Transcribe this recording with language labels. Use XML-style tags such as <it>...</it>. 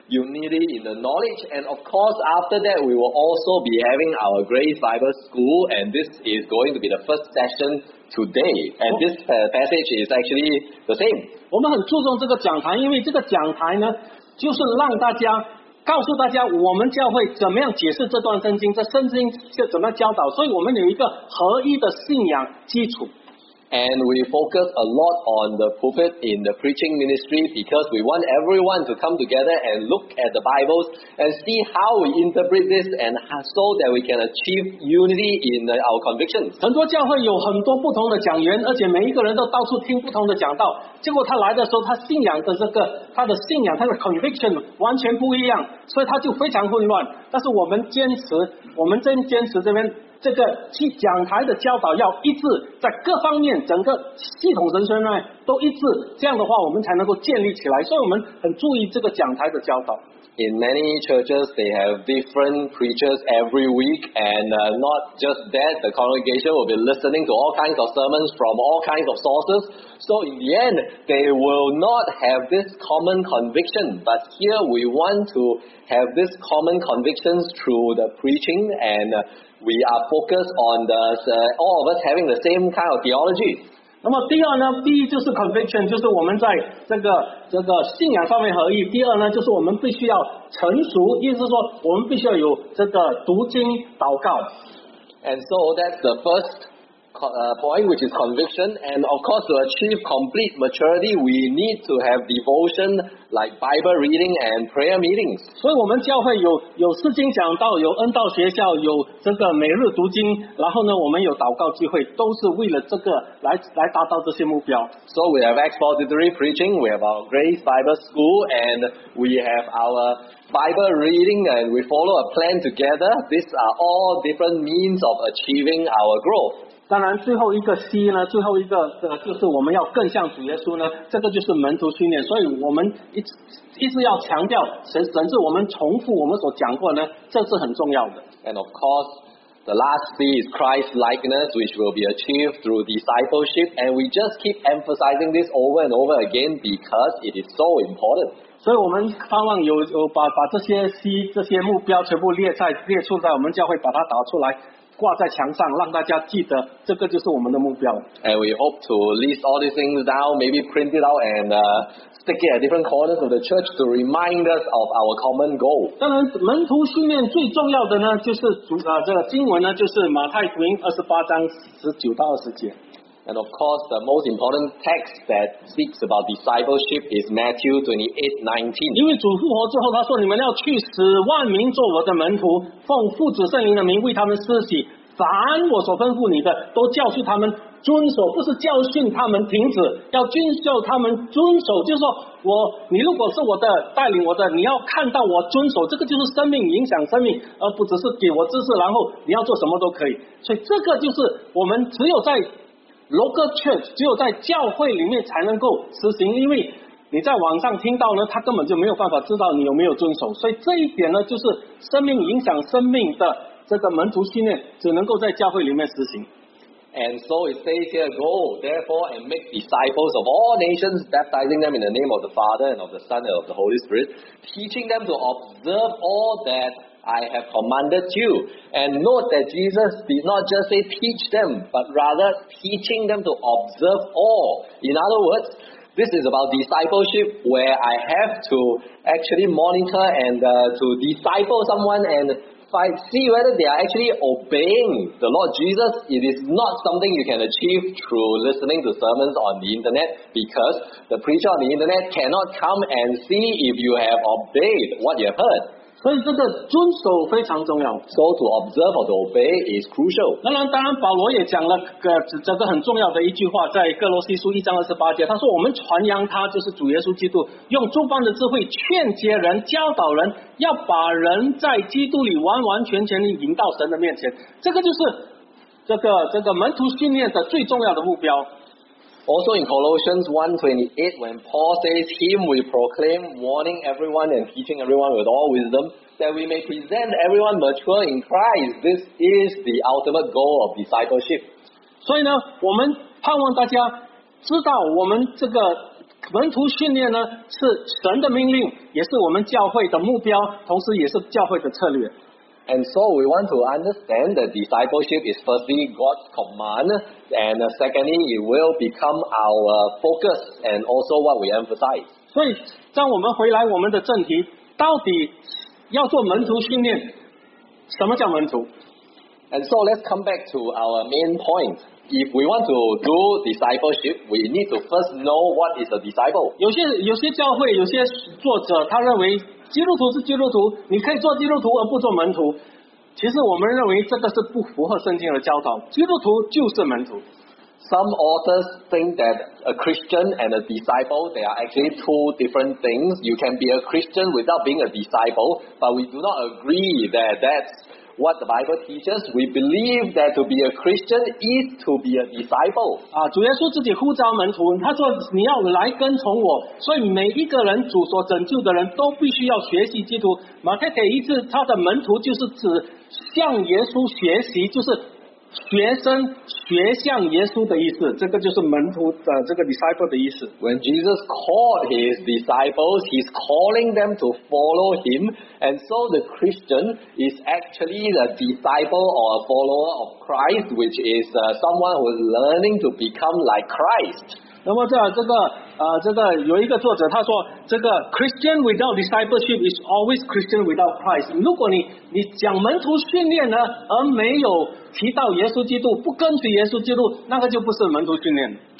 <en>Unity in the knowledge, and of course, after that, we will also be having our Grace Bible School, and this is going to be the first session today. And this passage is actually the same.</en> <zh>我们很注重这个讲台，因为这个讲台呢，就是让大家告诉大家我们教会怎么样解释这段圣经，这圣经是怎么样教导，所以我们有一个合一的信仰基础。</zh> <en>And we focus a lot on the pulpit in the preaching ministry because we want everyone to come together and look at the Bibles and see how we interpret this and so that we can achieve unity in our convictions.</en> <zh>很多教会有很多不同的讲员，而且每一个人都到处听不同的讲道，结果他来的时候，他信仰的这个，他的信仰，他的 conviction 完全不一样，所以他就非常混乱。但是我们坚持，我们真坚持这边这个讲台的教导要一致，在各方面整个系统神学呢都一致，这样的话我们才能够建立起来，所以我们很注意这个讲台的教导。</zh> <en>In many churches, they have different preachers every week, and not just that, the congregation will be listening to all kinds of sermons from all kinds of sources. So in the end, they will not have this common conviction. But here we want to have this common convictions through the preaching, and we are focused on the, all of us having the same kind of theology.</en> <zh>那么第二呢，第一就是 conviction， 就是我们在这个信仰上面合一。第二呢，就是我们必须要成熟，意思是说我们必须要有这个读经祷告。</zh> <en>And so that's the first point, which is conviction. And of course, to achieve complete maturity, we need to have devotion like Bible reading and prayer meetings.</en> <zh>所以我们教会有释经讲道，有恩道学校，有这个每日读经，然后呢，我们有祷告机会，都是为了这个来达到这些目标。</zh> <en>So we have expository preaching, we have our Grace Bible School, and we have our Bible reading, and we follow a plan together. These are all different means of achieving our growth.</en> <zh>当然最后一个 C 呢，最后一个就是我们要更像主耶稣呢，这个就是门徒训练。所以我们一直要强调神是我们重复我们所讲过呢，这是很重要的。</zh> <en>And of course the last C is Christ likeness, which will be achieved through discipleship, and we just keep emphasizing this over and over again because it is so important.</en> <zh>所以我们盼望 有把这些 C 这些目标全部列出在我们教会，把它打出来挂在墙上，让大家记得，这个就是我们的目标。</zh> <en>And we hope to list all these things down, maybe print it out and stick it at different corners of the church to remind us of our common goal.</en> <zh>当然，门徒训练最重要的呢，就是这个经文呢，就是马太福音28:19-20。</zh> <en>And of course, the most important text that speaks about discipleship is Matthew 28:19.</en> <zh>因为主复活之后，他说：“你们要去使万民做我的门徒，奉父子圣灵的名为他们施洗，凡我所吩咐你的，都教训他们遵守。不是教训他们停止，要遵守他们遵守。就是说你如果是我的带领我的，你要看到我遵守。这个就是生命影响生命，而不只是给我知识，然后你要做什么都可以。所以这个就是我们只有在</zh> <en>local church</en> <zh>只有在教会里面才能够实行，因为你在网上听到呢，他根本就没有办法知道你有没有遵守。所以这一点呢，就是生命影响生命的这个门徒训练，只能够在教会里面实行。</zh> <en>And so it says here, go therefore and make disciples of all nations, baptizing them in the name of the Father and of the Son and of the Holy Spirit, teaching them to observe all that I have commanded you. And note that Jesus did not just say teach them, but rather teaching them to observe all. In other words, this is about discipleship, where I have to actually monitor and to disciple someone and see whether they are actually obeying the Lord Jesus. It is not something you can achieve through listening to sermons on the internet, because the preacher on the internet cannot come and see if you have obeyed what you have heard.</en> <zh>所以这个遵守非常重要。</zh> <en>So to observe or to obey is crucial.</en> <zh>当然保罗也讲了这个很重要的一句话，在哥罗西书1:28，他说我们传扬他就是主耶稣基督，用诸般的智慧劝诫人，教导人，要把人在基督里完完全全地引到神的面前。这个就是这个门徒训练的最重要的目标。</zh> <en>Also in Colossians 1:28, when Paul says, Him we proclaim, warning everyone and teaching everyone with all wisdom, that we may present everyone mature in Christ. This is the ultimate goal of discipleship.</en> <zh>所以呢，我们盼望大家知道我们这个门徒训练呢，是神的命令，也是我们教会的目标，同时也是教会的策略。</zh> <en>And so we want to understand that discipleship is firstly God's command, and secondly, it will become our focus and also what we emphasize.</en> <zh>所以，当我们回来我们的正题，到底要做门徒训练，什么叫门徒？</zh> <en>And so let's come back to our main point. If we want to do discipleship, we need to first know what is a disciple.</en> <zh>有些教会，有些作者，他认为基督徒是基督徒，你可以做基督徒而不做门徒。其实我们认为这个是不符合圣经的教导，基督徒就是门徒。</zh> <en>Some authors think that a Christian and a disciple, they are actually two different things. You can be a Christian without being a disciple, but we do not agree that that's what the Bible teaches. We believe that to be a Christian is to be a disciple.</en> <zh>啊，主耶稣自己呼召门徒，他说你要来跟从我，所以每一个人主所拯救的人都必须要学习基督。马太给一次他的门徒就是指向耶稣学习，就是学生学向耶稣的意思，这个就是门徒的这个 disciple 的意思。</zh> <en>When Jesus called his disciples, he's calling them to follow him, and so the Christian is actually a disciple or a follower of Christ, which is someone who is learning to become like Christ.</en> <zh>那么这个有一个作者他说，这个</zh> <en>Christian without discipleship is always Christian without Christ.</en> <zh>如果你讲门徒训练呢，而没有提到耶稣基督，不跟随耶稣基督，那个就不是门徒训练。</zh>